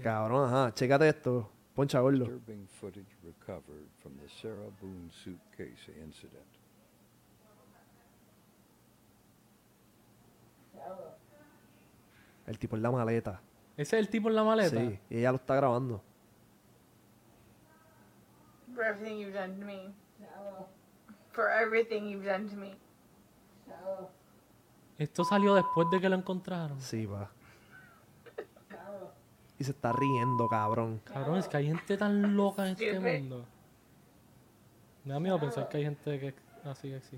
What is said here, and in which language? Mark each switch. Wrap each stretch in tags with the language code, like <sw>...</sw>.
<es>Cabrón, ajá. Chequéate esto. Poncha, verlo.</es> <en>Disturbing footage recovered. From the Sarah Boone suitcase incident.</en> <es>El tipo en la maleta. ¿Ese es el tipo en la maleta? Sí, y ella lo está grabando.</es> <en>For everything you've done to me. For everything you've done to me.</en> <es>Esto salió después de que lo encontraron. Sí, va. Y se está riendo, cabrón. Cabrón, es que hay gente tan loca en este mundo. Me da miedo pensar que hay gente que así que existe.</es>